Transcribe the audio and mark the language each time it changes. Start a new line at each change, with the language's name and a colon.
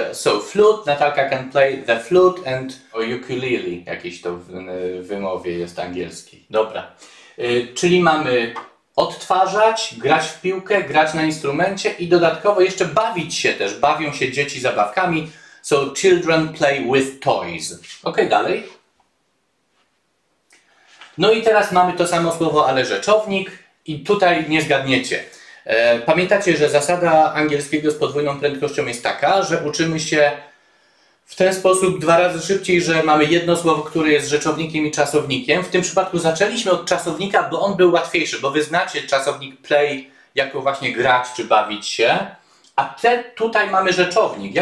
English: So flute, Natalka can play the flute and ukulele.
Polish: Jakiś to w wymowie jest angielski. Dobra. Czyli mamy odtwarzać, grać w piłkę, grać na instrumencie i dodatkowo jeszcze bawić się też. Bawią się dzieci zabawkami.
English: So children play with toys.
Polish: Okay, dalej. No i teraz mamy to samo słowo, ale rzeczownik i tutaj nie zgadniecie. Pamiętacie, że zasada angielskiego z podwójną prędkością jest taka, że uczymy się w ten sposób dwa razy szybciej, że mamy jedno słowo, które jest rzeczownikiem i czasownikiem. W tym przypadku zaczęliśmy od czasownika, bo on był łatwiejszy, bo wy znacie czasownik play jako właśnie grać czy bawić się, a tutaj mamy rzeczownik.